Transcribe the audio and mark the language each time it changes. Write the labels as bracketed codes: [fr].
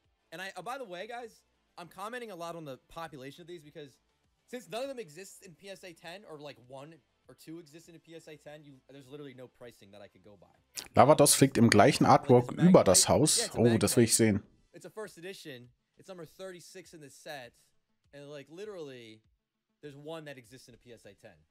[en] And I, oh, by the way, guys, I'm commenting a lot on the population of these because since none of them exists in PSA 10 or like one or two exist in a PSA 10, you, there's literally no pricing that I could go by. [de] Lavados fliegt im gleichen Artwork über das Haus. Yeah, oh, das will ich sehen. [en] It's a first edition. It's number 36 in the set. And like literally, there's one that exists in a PSA 10.